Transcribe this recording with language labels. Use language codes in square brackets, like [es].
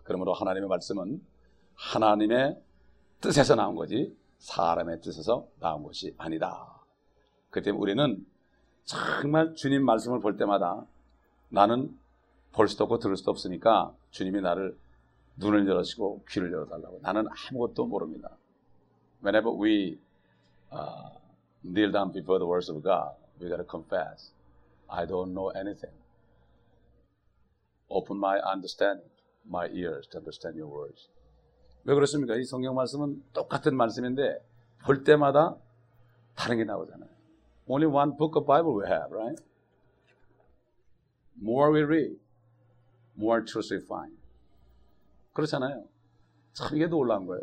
[ko] 그러므로 하나님의 말씀은 하나님의 뜻에서 나온 거지 사람의 뜻에서 나온 것이 아니다. 그렇기 때문에 우리는 정말 주님 말씀을 볼 때마다 나는 볼 수도 없고 들을 수도 없으니까 주님이 나를 눈을 열어주시고 귀를 열어달라고. 나는 아무것도 모릅니다. [en] Whenever we kneel down before the words of God, we gotta confess, I don't know anything. Open my understanding, my ears to understand your words. [ko] 왜 그렇습니까? 이 성경 말씀은 똑같은 말씀인데 볼 때마다 다른 게 나오잖아요. [en] Only one book of Bible we have, right? More we read, more truth we find. [ko] 그렇잖아요. 참 이게 놀라운 거예요.